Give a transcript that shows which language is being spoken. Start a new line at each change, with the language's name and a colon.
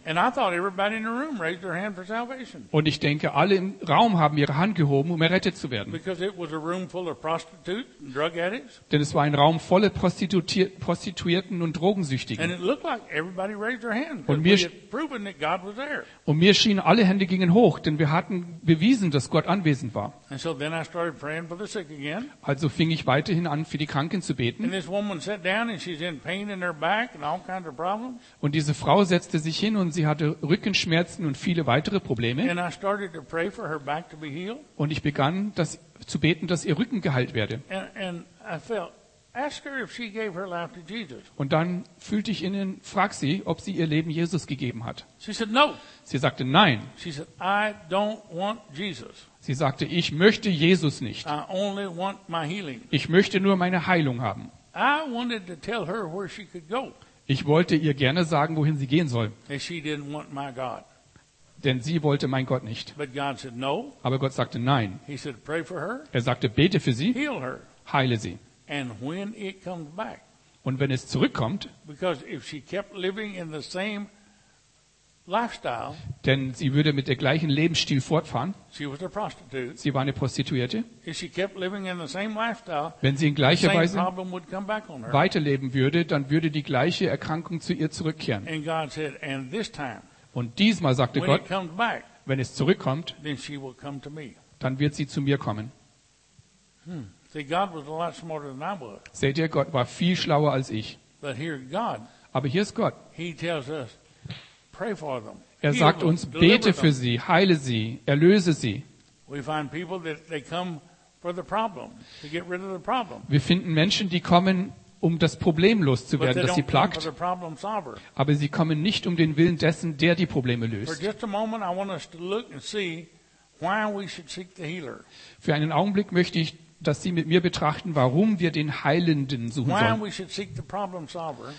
English: And I thought everybody in the room raised their hand for salvation.
German: Und ich denke, alle im Raum haben ihre Hand gehoben, um errettet zu werden.
English: Because it was a room full of prostitutes and drug addicts.
German: Denn es war ein Raum voller Prostituierten und Drogensüchtigen.
English: And it looked like everybody raised their hand.
German: Und mir
English: proven that God was there.
German: Und mir schien, alle Hände gingen hoch, denn wir hatten bewiesen, dass Gott anwesend war.
English: And so then I started praying for the sick again.
German: Also fing ich weiterhin an, für die Kranken zu beten.
English: And this woman sat down and she's in pain in her back and all kinds of problems.
German: Und diese Frau setzte sich hin und sie hatte Rückenschmerzen und viele weitere Probleme.
English: And I started to pray for her back to be healed.
German: Und ich begann das zu beten, dass ihr Rücken geheilt werde.
English: And I felt, ask her if she gave her life to Jesus.
German: Und dann fühlte ich innen, frag sie, ob sie ihr Leben Jesus gegeben hat.
English: She said no.
German: Sie sagte nein.
English: She said I don't want Jesus.
German: Sie sagte, ich möchte Jesus nicht.
English: I only want my healing.
German: Ich möchte nur meine Heilung haben.
English: I wanted to tell her where she could go.
German: Ich wollte ihr gerne sagen, wohin sie gehen soll.
English: And she didn't want my God.
German: Denn sie wollte mein Gott nicht.
English: But God said no.
German: Aber Gott sagte nein.
English: He said pray for her.
German: Er sagte, bete für sie.
English: Heal her.
German: Heile sie.
English: And when it comes back.
German: Und wenn es zurückkommt.
English: Because if she kept living in the same lifestyle.
German: Denn sie würde mit der gleichen Lebensstil fortfahren.
English: She was a prostitute.
German: Sie war eine Prostituierte.
English: If she kept living in the same lifestyle,
German: wenn sie in gleicher
English: the same
German: Weise
English: problem would come back on her.
German: Weiterleben würde, dann würde die gleiche Erkrankung zu ihr zurückkehren.
English: And God said, and this time,
German: und diesmal sagte
English: when
German: Gott,
English: it comes back,
German: wenn es zurückkommt,
English: then she will come to me.
German: Dann wird sie zu mir kommen.
English: See, God was a lot smarter than I was.
German: Seht ihr, Gott war viel schlauer als ich.
English: But here God,
German: aber hier ist Gott.
English: He tells us, pray for them.
German: Er sagt uns, bete für sie, heile sie, erlöse sie.
English: We find people that they come for the problem, to get rid of the problem.
German: Wir finden Menschen, die kommen, um das Problem loszuwerden, das sie plagt. Aber sie kommen nicht um den Willen dessen, der die Probleme löst.
English: For just a moment, I want us to look and see why we should seek the healer.
German: Für einen Augenblick möchte ich, dass Sie mit mir betrachten, warum wir den Heilenden suchen sollen.